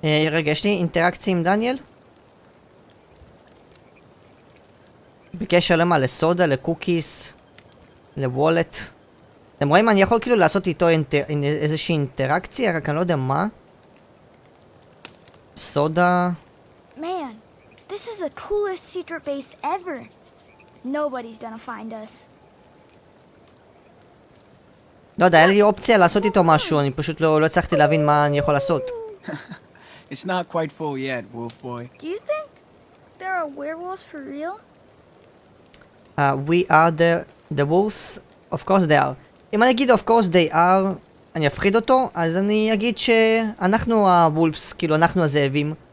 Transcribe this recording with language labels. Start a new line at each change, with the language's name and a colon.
Hebrew: רגע, יש לי אינטראקציה עם דניאל? בקשר למה, לסודה, לקוקיס, לוולט. אתם רואים, אני יכול כאילו לעשות איתו איזושהי אינטראקציה, רק אני לא יודע מה.
English: Soda. Man, this is the coolest secret base ever. Nobody's gonna find us.
Hebrew: לא יודע, היה לי אופציה לעשות איתו משהו, אני פשוט לא הצלחתי להבין מה אני יכול לעשות.
English: It's not quite full yet, wolf boy. Do you think there are werewolves for real? We are the wolves. Of course they are.
Hebrew: אם אני אגיד
English: of course they are,
Hebrew: אני אפחיד אותו, אז אני אגיד שאנחנו הוולפס, כאילו אנחנו הזאבים.